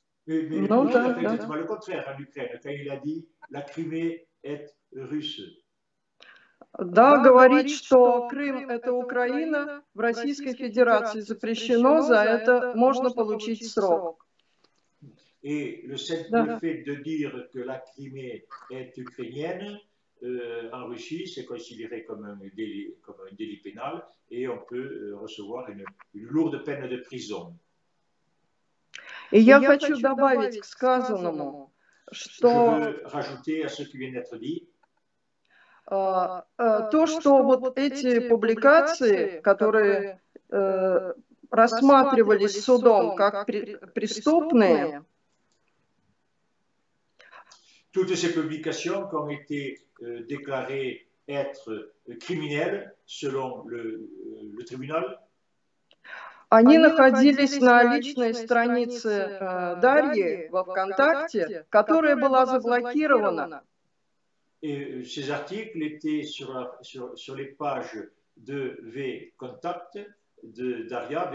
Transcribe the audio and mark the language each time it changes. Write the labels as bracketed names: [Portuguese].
[French] Mais non, non, non, non, non. Le contraire en Ukraine, quand il a dit la Crimée est russe. [Russian] Да, говорить, что Крым – это Украина, в Российской Федерации запрещено, за это можно получить срок. [French] И le simple fait de dire que la Crimée est ukrainienne en Russie, c'est considéré comme un délit pénal, et on peut recevoir une lourde peine de prison. [Russian] И я хочу добавить к сказанному, что… [French] Je veux rajouter à ce qui vient d'être dit. [Russian] То, что вот эти публикации, которые рассматривались судом как преступные, [French] toutes ces publications qui ont été déclarées être criminelles selon le tribunal, [Russian] они находились на личной странице Дарьи во ВКонтакте, которая была заблокирована. [French] Et ces articles étaient sur les pages de VKontakt, de Daria.